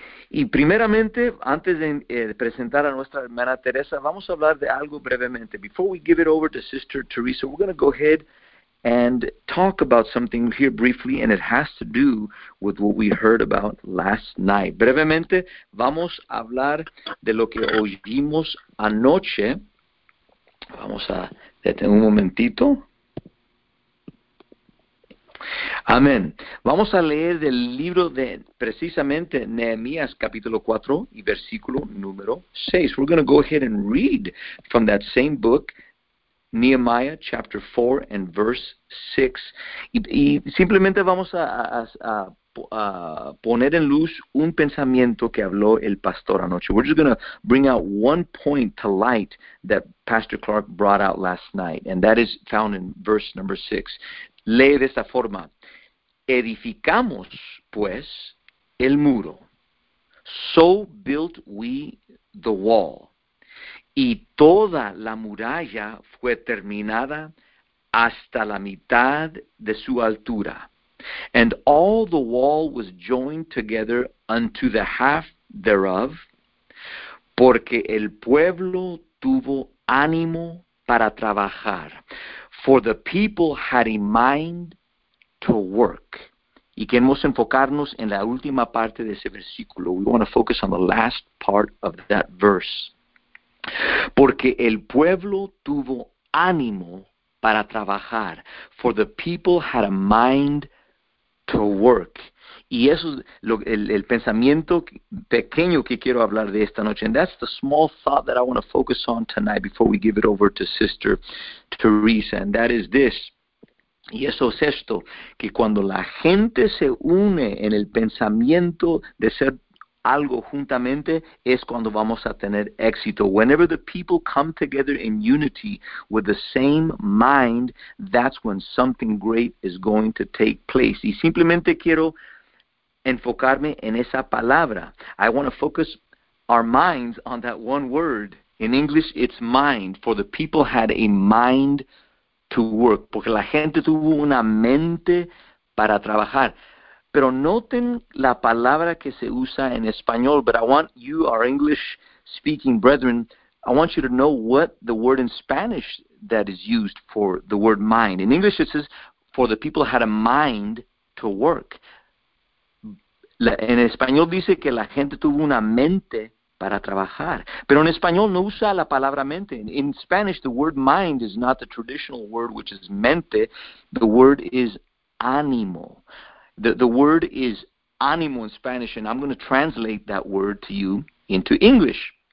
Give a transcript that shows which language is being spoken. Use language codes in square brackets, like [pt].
[es] Y primeramente, antes de presentar a nuestra hermana Teresa, vamos a hablar de algo brevemente. [en] Before we give it over to Sister Teresa, we're going to go ahead and talk about something here briefly, and it has to do with what we heard about last night. [es] Brevemente, vamos a hablar de lo que oímos anoche. Vamos a detener un momentito. Amén. Vamos a leer del libro de, precisamente, Nehemías capítulo 4 y versículo número 6. [en] We're going to go ahead and read from that same book, Nehemiah chapter 4 and verse 6. [es] Y simplemente vamos a poner en luz un pensamiento que habló el pastor anoche. [en] We're just going to bring out one point to light that Pastor Clark brought out last night, and that is found in verse number 6. [es] Lee de esta forma: edificamos, pues, el muro. [en] So built we the wall. [es] Y toda la muralla fue terminada hasta la mitad de su altura. [en] And all the wall was joined together unto the half thereof, [es] porque el pueblo tuvo ánimo para trabajar. [en] For the people had a mind to work. [es] Y queremos enfocarnos en la última parte de ese versículo. [en] We want to focus on the last part of that verse. [es] Porque el pueblo tuvo ánimo para trabajar. [en] For the people had a mind to work. [es] Y eso es el pensamiento pequeño que quiero hablar de esta noche. [en] And that's the small thought that I want to focus on tonight before we give it over to Sister Teresa. And that is this. [es] Y eso es esto, que cuando la gente se une en el pensamiento de ser algo juntamente, es cuando vamos a tener éxito. [en] Whenever the people come together in unity with the same mind, that's when something great is going to take place. [es] Y simplemente quiero enfocarme en esa palabra. [en] I want to focus our minds on that one word. In English, it's mind. For the people had a mind to work. [es] Porque la gente tuvo una mente para trabajar. Pero noten la palabra que se usa en español. [en] But I want you, our English-speaking brethren, I want you to know what the word in Spanish that is used for the word mind. In English, it says, for the people had a mind to work. [es] En español dice que la gente tuvo una mente para trabajar. Pero en español no usa la palabra mente. [en] In Spanish, the word mind is not the traditional word, which is mente. The word is ánimo. The word is ánimo in Spanish, and I'm going to translate that word to you into English.